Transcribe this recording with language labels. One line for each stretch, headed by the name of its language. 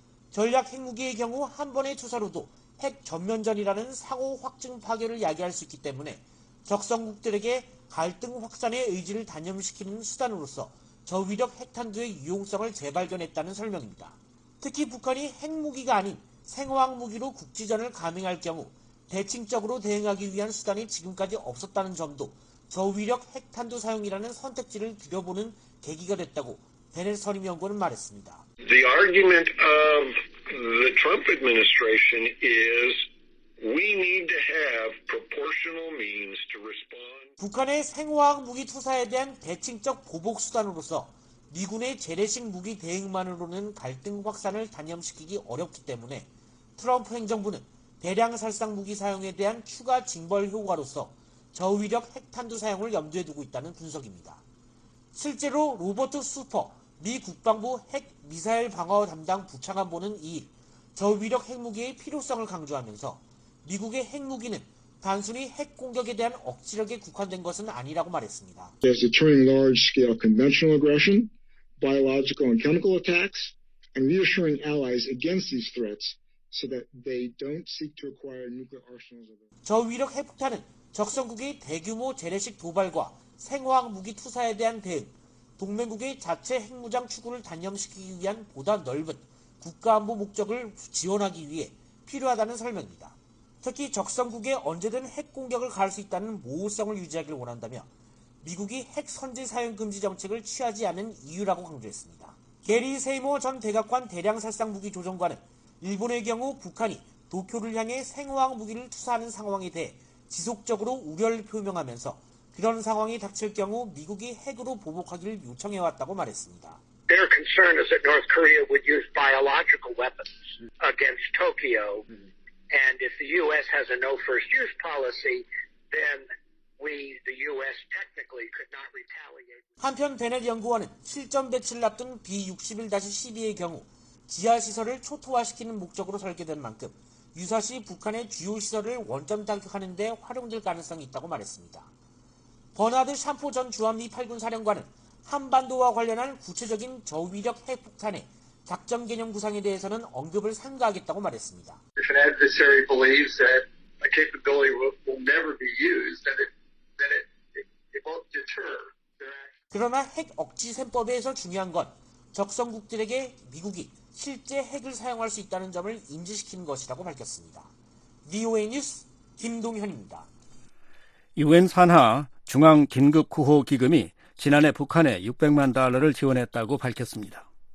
Korean: 전략 핵무기의 경우 한 번의 투사로도 핵 전면전이라는 사고 확증 파괴를 야기할 수 있기 때문에 적성국들에게 갈등 확산의 의지를 단념시키는 수단으로서 저위력 핵탄두의 유용성을 재발견했다는 설명입니다. 특히 북한이 핵무기가 아닌 생화학 무기로 국지전을 감행할 경우 대칭적으로 대응하기 위한 수단이 지금까지 없었다는 점도 저위력 핵탄두 사용이라는 선택지를 들여보는 계기가 됐다고 베넷 선임연구원은 말했습니다.
English: The argument of the Trump administration is we need to have proportional means to respond.
Korean: 북한의 생화학 무기 투사에 대한 대칭적 보복 수단으로서 미군의 재래식 무기 대응만으로는 갈등 확산을 단념시키기 어렵기 때문에 트럼프 행정부는 대량 살상 무기 사용에 대한 추가 징벌 효과로서 저위력 핵탄두 사용을 염두에 두고 있다는 분석입니다. 실제로 로버트 슈퍼 미 국방부 핵미사일 방어 담당 부차관보는 2일 저위력 핵무기의 필요성을 강조하면서 미국의 핵무기는 단순히 핵 공격에 대한 억지력에 국한된 것은 아니라고 말했습니다.
English: There's a turning large scale conventional aggression, biological and chemical attacks, and reassuring allies against these threats so that they don't seek to acquire nuclear arsenals.
Korean: 저위력 핵폭탄은 적성국의 대규모 재래식 도발과 생화학 무기 투사에 대한 대응, 동맹국의 자체 핵무장 추구를 단념시키기 위한 보다 넓은 국가안보 목적을 지원하기 위해 필요하다는 설명입니다. 특히 적성국에 언제든 핵 공격을 가할 수 있다는 모호성을 유지하길 원한다며 미국이 핵 선제 사용 금지 정책을 취하지 않은 이유라고 강조했습니다. 게리 세이머 전 대각관 대량살상 무기 조정관은 일본의 경우 북한이 도쿄를 향해 생화학 무기를 투사하는 상황에 대해 지속적으로 우려를 표명하면서 그런 상황이 닥칠 경우 미국이 핵으로 보복하기를 요청해왔다고 말했습니다.
English: Their concern is that North Korea would use biological weapons against Tokyo. And if the U.S. has a no first use policy, then we, the U.S. technically could not retaliate.
Korean: 한편 베넷 연구원은 실전 배치를 앞둔 B-61-12의 경우 지하시설을 초토화시키는 목적으로 설계된 만큼 유사시 북한의 주요 시설을 원점 타격하는 데 활용될 가능성이 있다고 말했습니다. 버나드 샴포 전 주한미 8군 사령관은 한반도와 관련한 구체적인 저위력 핵폭탄의 작전 개념 구상에 대해서는 언급을 삼가하겠다고 말했습니다.
English: If an adversary believes that a capability will never be used, then it won't deter.
Korean: 그러나 핵 억지 셈법에서 중요한 건 적성국들에게 미국이 실제 핵을 사용할 수 있다는 점을 인지시키는 것이라고 밝혔습니다. VOA 뉴스 김동현입니다. UN 산하 중앙긴급구호기금이 지난해 북한에 600만 달러를 지원했다고 밝혔습니다.